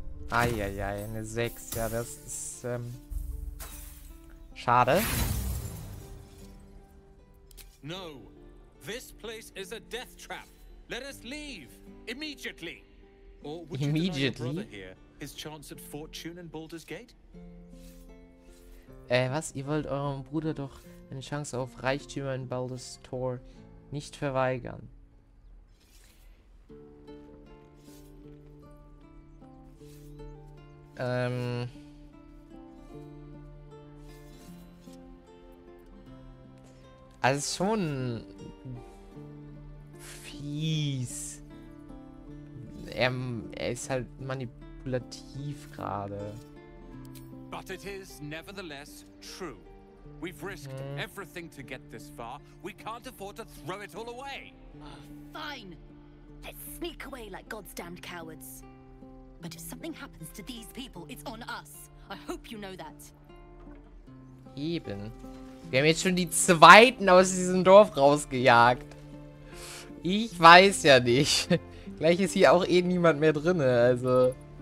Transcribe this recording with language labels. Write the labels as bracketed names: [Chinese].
[German] Eieiei, eine 6. Ja, das ist, schade. [English] No. This place is a death trap. Let us leave immediately. Or would immediately? You deny your brother here his chance at fortune in Baldur's Gate? [German] Was, ihr wollt eurem Bruder doch eine Chance auf Reichtümer in Baldur's Tor nicht verweigern? Also schon fies. Er ist halt manipulativ gerade. [English] But it is nevertheless true. We've risked everything to get this far. We can't afford to throw it all away. Fine. Let's sneak away like God's damned cowards. But if something happens to these people, it's on us. I hope you know that. [German] Eben. Wir haben jetzt schon die zweiten aus diesem Dorf rausgejagt. Ich weiß ja nicht. Gleich ist hier auch eh niemand mehr drin, also.